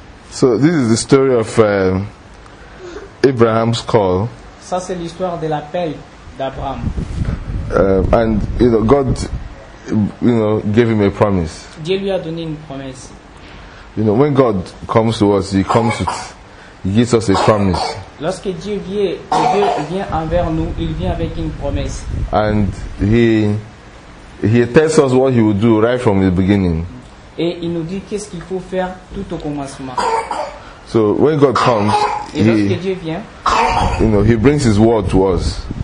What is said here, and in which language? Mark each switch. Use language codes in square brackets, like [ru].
[en] So this is the story of Abraham's call. [fr] Ça c'est l'histoire de l'appel d'Abraham. [en] And you know, God, you know, gave him a promise. [fr] Dieu lui a donné une promesse. [en] You know, when God comes to us, he comes with, he gives us a promise. [fr] Lorsque Dieu vient envers nous, il vient avec une promesse. [en] And he tells us what he will do right from the beginning. [fr] Et il nous dit qu'est-ce qu'il faut faire tout au commencement. [en] So when God comes, [fr] Dieu vient, [en] you know, he brings his word to us.